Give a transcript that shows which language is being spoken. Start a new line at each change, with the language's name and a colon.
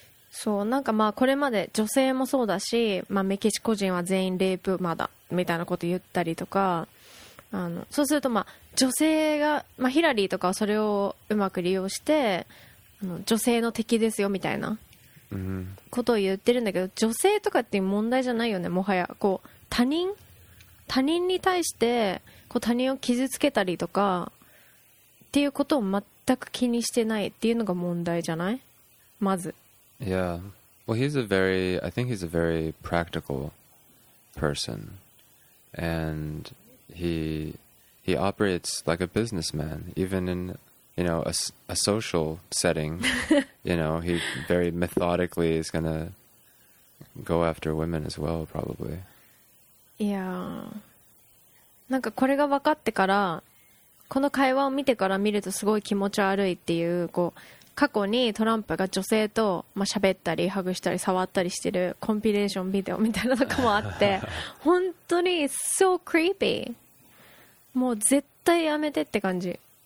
Japanese: そう、なんかまあこれまで女性もそうだし、まあ、メキシコ人は全員レイプマだみたいなこと言ったりとか、そうすると、まあ、女性が、まあ、ヒラリーとかはそれをうまく利用して、女性の敵ですよみたいなことを言ってるんだけど、女性とかっていう問題じゃないよね、もはや。こう他人に対してこう他人を傷つけたりとかっていうことを全く気にしてないっていうのが問題じゃない、まず。
English: Yeah, well, I think he's a very practical person, and he operates like a businessman, even in, you know, a social setting. You know, he very methodically is gonna go after women as well, probably. Yeah.
Japanese: なんかこれが分かってから、この会話を見てから見るとすごい気持ち悪いっていう、こう過去にトランプが女性と、まあ、喋ったりハグしたり触ったりしてるコンピレーションビデオみたいなのかもあって本当に
English: so creepy、
Japanese: もう絶対やめてって感じ。